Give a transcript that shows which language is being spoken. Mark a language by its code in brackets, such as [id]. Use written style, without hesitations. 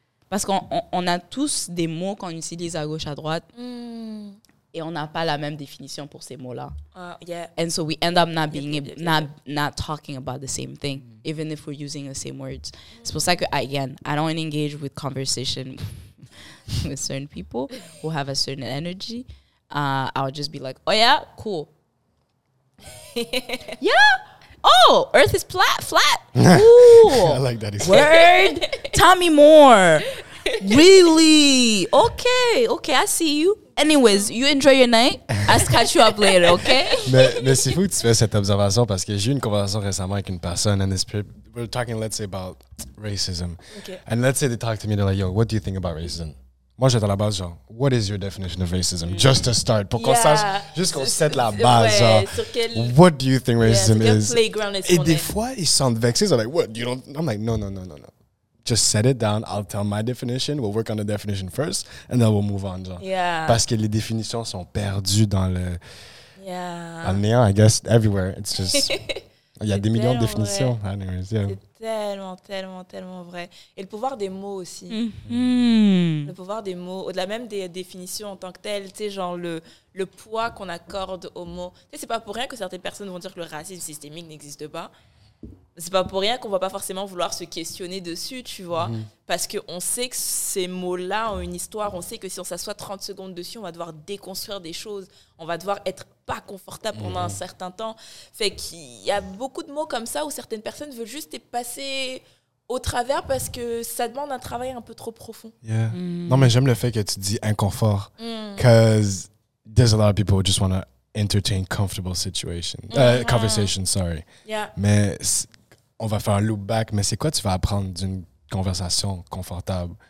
[fr] Parce qu'on a tous des mots qu'on utilise à gauche, à droite, et on n'a pas la même définition pour ces mots-là. [en] And so we end up not being not talking about the same thing, even if we're using the same words. [fr] C'est pour ça que, [en] again, I don't engage with conversation with certain people who have a certain energy. I'll just be like, oh yeah, cool. Yeah. Oh, Earth is flat. Ooh. I like that. Word. Tell me more. Really? Okay, I see you. Anyways, you enjoy your night. I'll catch you up later, okay? [fr] Mais c'est fou que tu fais cette observation parce que j'ai eu une conversation récemment avec une personne [en] and we're talking, let's say, about racism. Okay. And let's say they talk to me, they're like, yo, what do you think about racism? [fr] Moi, j'étais à la base, genre, [en] what is your definition of racism? Mm. Just to start, [fr] pour qu'on sache, juste qu'on sette la base, genre, sur quel, [en] what do you think racism is? Playground est-ce [fr] et des fois, ils sont vexés, ils sont [en] like, what, you don't, I'm like, no. Just set it down, I'll tell my definition, we'll work on the definition first, and then we'll move on, genre. Yeah. [fr] Parce que les définitions sont perdues dans le, [en] yeah. [fr] dans le néant, [en] I guess, everywhere. It's just, [fr] il y a des millions de définitions. Vrai. [en] Anyways, yeah. [fr] Tellement vrai. Et le pouvoir des mots aussi. Mm-hmm. Le pouvoir des mots, au-delà même des définitions en tant que telles, tu sais, genre le poids qu'on accorde aux mots. Tu sais, c'est pas pour rien que certaines personnes vont dire que le racisme systémique n'existe pas. C'est pas pour rien qu'on va pas forcément vouloir se questionner dessus, tu vois. Mm-hmm. Parce qu'on sait que ces mots-là ont une histoire. On sait que si on s'assoit 30 secondes dessus, on va devoir déconstruire des choses. On va devoir être pas confortable pendant un certain temps. Fait qu'il y a beaucoup de mots comme ça où certaines personnes veulent juste les passer au travers parce que ça demande un travail un peu trop profond. Yeah. Mm-hmm. Non, mais j'aime le fait que tu dis inconfort. [en] Because there's a lot of people who just want to entertain comfortable situation. Conversation, sorry. Yeah. [fr] Mais on va faire un loop back, mais c'est quoi tu vas apprendre d'une conversation confortable